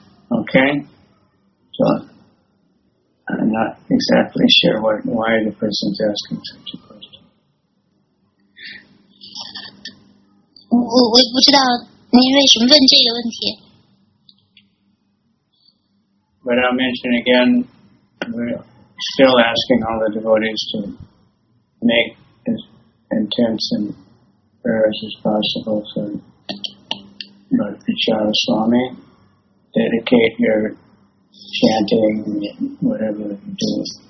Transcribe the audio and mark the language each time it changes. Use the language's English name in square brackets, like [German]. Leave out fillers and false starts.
[English] Okay, so I'm not exactly sure why the person's asking such a question. [Chinese] 我也不知道您为什么问这个问题。 [English] But I'll mention again, we're still asking all the devotees to make as intense and prayers as possible for Bhaktivinoda Swami. Dedicate your chanting and whatever you do.